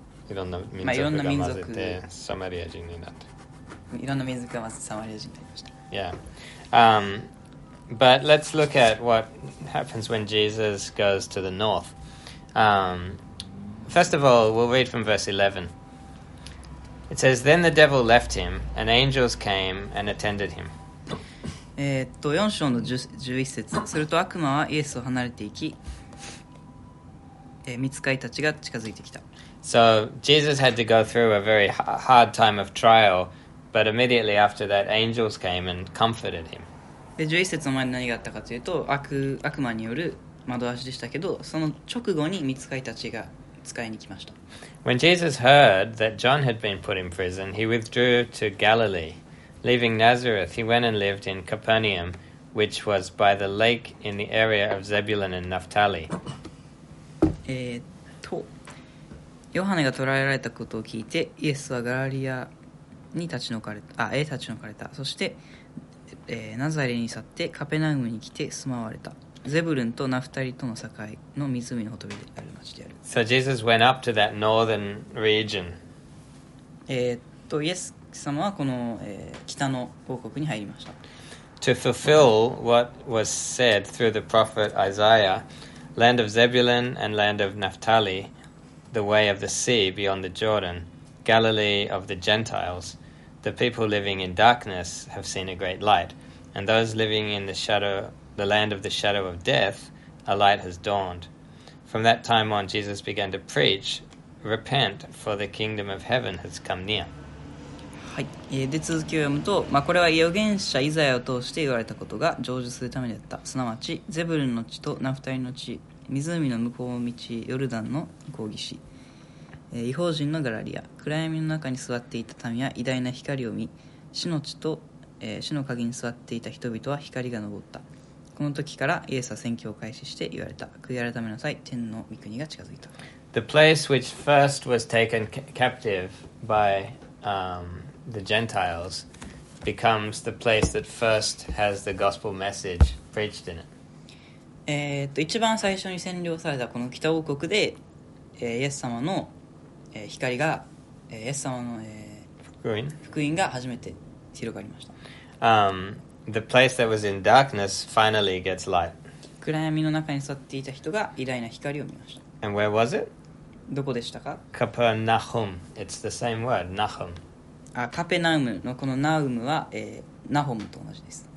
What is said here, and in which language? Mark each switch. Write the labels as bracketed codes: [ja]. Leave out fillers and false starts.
[ja] いろんな民族が混ぜて、サマリア人になって。いろんな民族が混ぜてサマリア人になりました。 [en] Yeah. But let's look at what happens when Jesus goes to the north. First of all, we'll read from verse 11. It says, then the devil left him, and angels came and attended him. [ja] 4章の11節、すると悪魔はイエスを離れていき、御使いたちが近づいてきた。 [en] So, Jesus had to go through a very hard time of trial, but immediately after that, angels came and comforted him. [ja] 11節の前に何があったかというと、悪魔による惑わしでしたけど、その直後に御使いたちが使いに来ました。 [en] When Jesus heard that John had been put in prison, he withdrew to Galilee. Leaving Nazareth, he went and lived in Capernaum, which was by the lake in the area of Zebulun and Naphtali. [ja] ヨハネが捕らえられたことを聞いて、イエスはガラリアに立ち退かれた、立ち退かれた。そして、ナザレに去ってカペナウムに来て住まわれた。ゼブルンとナフタリとの境の湖のほとりである町である。 [en] So Jesus went up to that northern region. [ja] イエス様はこの、北の王国に入りました。 [en] To fulfill what was said through the prophet Isaiah, land of Zebulun and land of Naphtali, the way of the sea beyond the Jordan, Galilee of the Gentiles, the people living in darkness have seen a great light, and those living in the shadow of the land of the shadow of death, a light has dawned. From that time on, Jesus began to preach, repent, for the kingdom of heaven has come near. [ja] はい、で続きを読むと、まあ、これは預言者イザヤを通して言われたことが成就するためであった。すなわちゼブルンの地とナフタリの地、湖の向こうの道、ヨルダンの向こう岸、異邦人のガラリア、暗闇の中に座っていた民は偉大な光を見、死の地と、死の鍵に座っていた人々は光が昇った。この時からイエスは宣教を開始して言われた、悔い改めなさい、天の御国が近づいた。 [en] The place which first was taken captive by the Gentiles becomes the place that first has the gospel message preached in it. [ja] 一番最初に占領されたこの北王国で、イエス様の、光が、イエス様の、福音が初めて広がりました。 [en] The place that was in darkness finally gets light. [ja] 暗闇の中に座っていた人が偉大な光を見ました。 [en] And where was it? [ja] どこでしたか? [en] Capernaum. It's the same word, Nahum. [ja] カペナウムのこのナウムは、ナホムと同じです。